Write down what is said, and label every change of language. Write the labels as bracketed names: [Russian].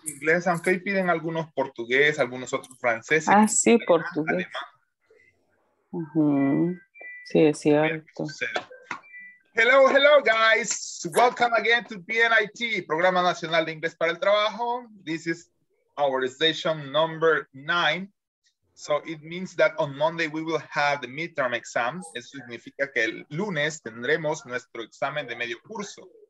[Spanish] Inglés, aunque ahí piden algunos portugués, algunos otros franceses. Ah, sí, portugués. Uh-huh. Sí, es cierto. [English] Hello, hello, guys. Welcome again to PNIT, Programa Nacional de Inglés para el Trabajo. This is our session number 9. So it means that on Monday we will have the midterm exam. [Spanish] Eso significa que el lunes tendremos nuestro examen de medio curso.